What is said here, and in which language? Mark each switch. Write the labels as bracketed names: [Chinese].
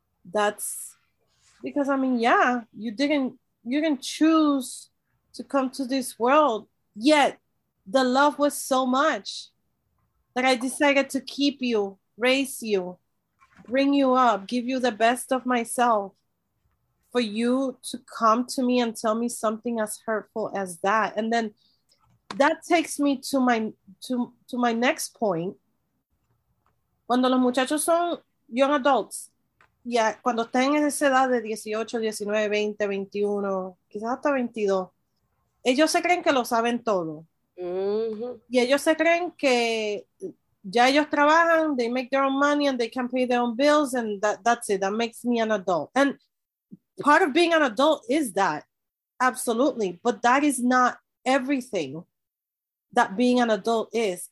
[English] That's because, I mean, yeah, you didn't choose to come to this world, yet the love was so much that I decided to keep you, raise you, bring you up, give you the best of myself. for you to come to me and tell me something as hurtful as that. And then that takes me to my next point. [Spanish] Cuando los muchachos son [English] young adults, [Spanish] ya cuando están en esa edad de 18, 19, 20, 21, quizás hasta 22, ellos se creen que lo saben todo. Mm-hmm. Y ellos se creen que ya ellos trabajan, [English] they make their own money and they can pay their own bills and that's it, that makes me an adult. And part of being an adult is that, absolutely. But that is not everything that being an adult is.